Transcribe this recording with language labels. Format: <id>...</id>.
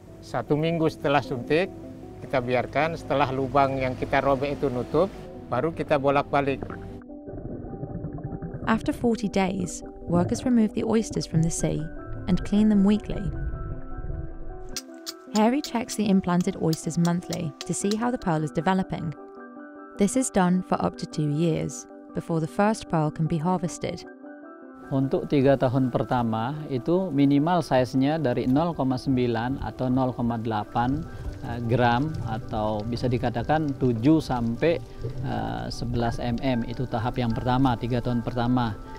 <id>Satu minggu setelah suntik, kita biarkan, setelah lubang yang kita robek itu nutup, baru kita bolak-balik.</id> <en>After 40 days, workers remove the oysters from the sea and clean them weekly. Harry checks the implanted oysters monthly to see how the pearl is developing. This is done for up to 2 years before the first pearl can be harvested.</en> <id>Untuk 3 tahun pertama itu minimal size-nya dari 0,9 atau 0,8 gram atau bisa dikatakan 7 sampai 11 mm itu tahap yang pertama 3 tahun pertama.</id>